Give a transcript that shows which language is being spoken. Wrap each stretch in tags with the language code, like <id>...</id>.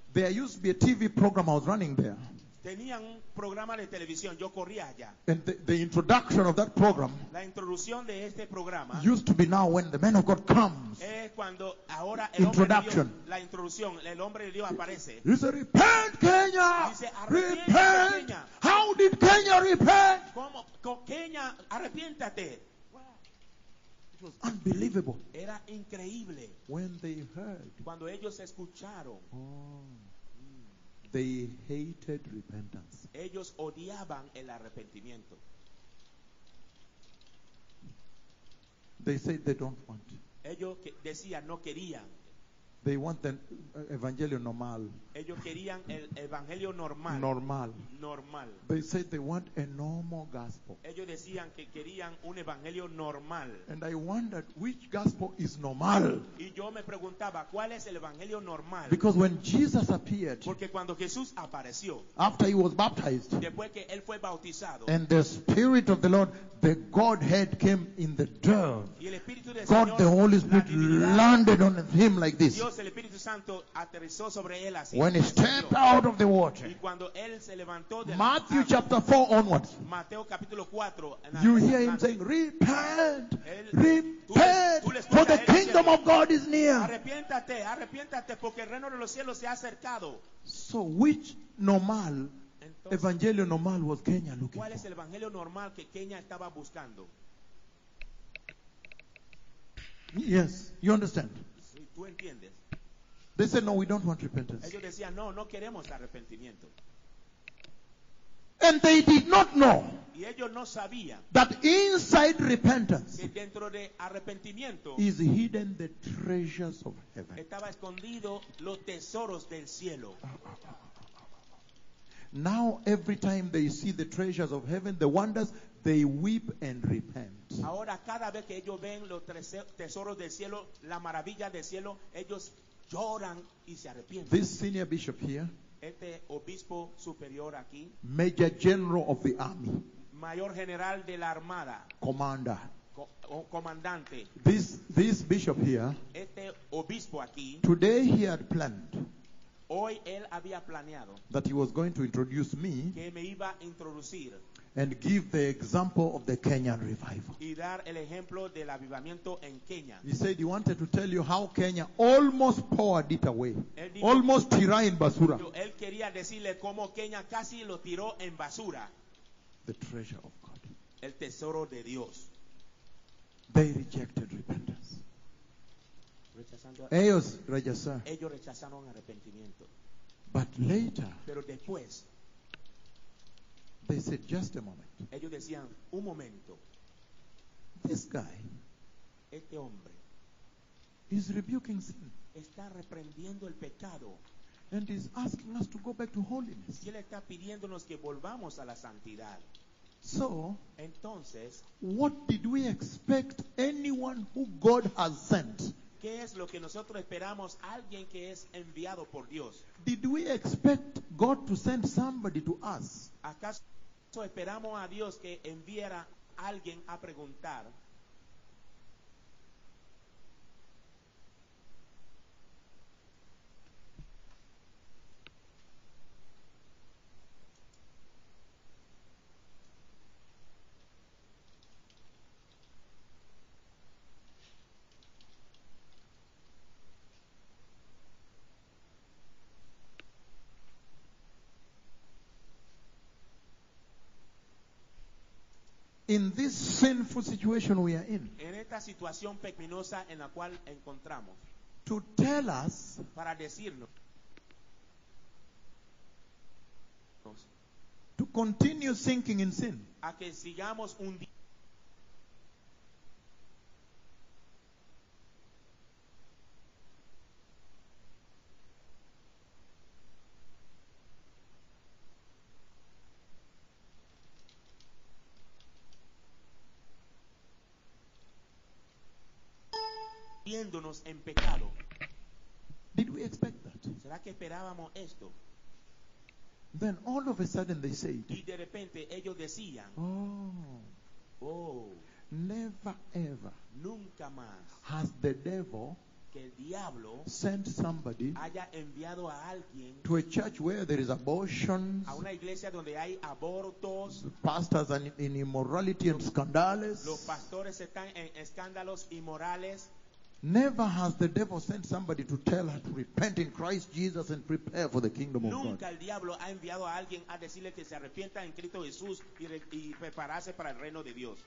<en>There used to be a TV program I was running there.</en> <es>Tenían un programa de televisión, yo corría allá.</es> <en>And the introduction of that program,</en> <es>la introducción de este programa,</es> <en>used to be now when the man of God comes.</en> <es>Es cuando ahora el introduction. Hombre de Dios, la introducción, el hombre de Dios aparece.</es> <en>He said, repent, Kenya.</en> <es>Dice, repent, Kenya.</es> <en>How did Kenya repent?</en> <es>¿Cómo Kenya, arrepiéntate?</es> <en>It was unbelievable.</en> <es>Era increíble.</es> <en>When they heard,</en> <es>cuando ellos escucharon.</es> <en>Oh. They hated repentance.</en> <es>Ellos odiaban el arrepentimiento.</es> <en>They said they don't want.</en> <es>Ellos decían no querían.</es> <en>They want the</en> <es>evangelio normal. Ellos querían el evangelio normal.</es> <en>Normal.</en> <es>Normal.</es> <en>They said they want a normal gospel.</en> <es>Ellos decían que querían un evangelio normal.</es> <en>And I wondered which gospel is normal.</en> <es>Y yo me preguntaba cuál es el evangelio normal.</es> <en>Because when Jesus appeared,</en> <es>porque cuando Jesús apareció,</es> <en>after he was baptized,</en> <es>después que él fue bautizado,</es> <en>and the Spirit of the Lord, the Godhead came in the dove.</en> <es>Y el Espíritu del</es> <en>God,</en> <es>Señor,</es> <en>the Holy Spirit, landed on him like this.</en> <es>Dios, el Espíritu Santo, aterrizó sobre él así.</es> <en>When he stepped out of the water,</en> <es>y cuando él se levantó de</es> <en>Matthew la... chapter 4 onwards,</en> <es>Mateo, capítulo 4,</es> <en>you hear him saying, repent, él, repent, tú for the kingdom of God is near.</en> <es>Arrepiéntate, arrepiéntate, porque el reino de los cielos se ha acercado.</es> <en>So which normal,</en> <es>entonces, evangelio normal</es> <en>was Kenya looking</en> <es>¿cuál</es> <en>for?</en> <es>¿Cuál es el evangelio normal que Kenya estaba buscando?</es> <en>Yes, you understand.</en> <es>¿Tú entiendes?</es> <en>They said, no, we don't want repentance.</en> <es>Ellos decían, no, no queremos arrepentimiento.</es> <en>And they did not know,</en> <es>y ellos no sabían,</es> <en>that inside repentance,</en> <es>que dentro de arrepentimiento,</es> <en>is hidden the treasures of heaven.</en> <es>Estaba escondido los tesoros del cielo.</es> <en>Now every time they see the treasures of heaven, the wonders, they weep and repent.</en> <es>Ahora cada vez que ellos ven los tesoros del cielo, la maravilla del cielo, ellos lloran y se arrepienten.</es> <en>This senior bishop here,</en> <es>este obispo superior aquí,</es> <en>major general of the army,</en> <es>mayor general de la armada,</es> <en>commander,</en> <es>comandante.</es> <en>This bishop here,</en> <es>este obispo aquí,</es> <en>today he had planned,</en> <es>hoy él había planeado,</es> <en>that he was going to introduce me,</en> <es>que me iba a introducir,</es> <en>and give the example of the Kenyan revival.</en> <es>Y dar el ejemplo del avivamiento en Kenya.</es> <en>He said he wanted to tell you how Kenya almost poured it away.</en> <es>Él dijo, almost tirar en basura. Él quería decirle cómo Kenya casi lo tiró en basura.</es> <en>The treasure of God.</en> <es>El tesoro de Dios.</es> <en>They rejected repentance.</en> <es>Ellos rechazaron arrepentimiento.</es> <en>But later,</en> <es>pero después,</es> <en>they said, just a moment.</en> <es>Ellos decían, un momento.</es> <en>This guy,</en> <es>este hombre,</es> <en>is rebuking sin.</en> <es>Está reprendiendo el pecado.</es> <en>And is asking us to go back to holiness.</en> <es>Y él está pidiéndonos que volvamos a la santidad.</es> <en>So,</en> <es>entonces,</es> <en>what did we expect anyone who God has sent?</en> <es>¿Qué es lo que nosotros esperamos alguien que es enviado por Dios?</es> <en>Did we expect God to send somebody to us?</en> <es>¿Acaso esperamos a Dios que enviara alguien a preguntar?</es> <en>In this sinful situation we are in.</en> <es>En esta situación pecaminosa en la cual encontramos.</es> <en>To tell us,</en> <es>para decirnos,</es> <en>continue sinking in sin.</en> <es>A que sigamos un día. En pecado.</es> <en>Did we expect that?</en> <es>¿Será que esperábamos esto?</es> <en>Then all of a sudden they say.</en> <es>Y de repente ellos decían. Oh. Oh.</es> <en>Never ever.</en> <es>Nunca más.</es> <en>Has the devil.</en> <es>Que el diablo.</es> <en>Sent somebody.</en> <es>Haya enviado a alguien.</es> <en>To a church where there is abortion.</en> <es>A una iglesia donde hay abortos.</es> <en>Pastors are in immorality and scandals.</en> <es>Los pastores están en escándalos y morales.</es> <en>Never has the devil sent somebody to tell her to repent in Christ Jesus and prepare for the kingdom of God.</en> <es>Nunca el diablo ha enviado a alguien a decirle que se arrepienta en Cristo Jesús y prepararse para el reino de Dios.</es>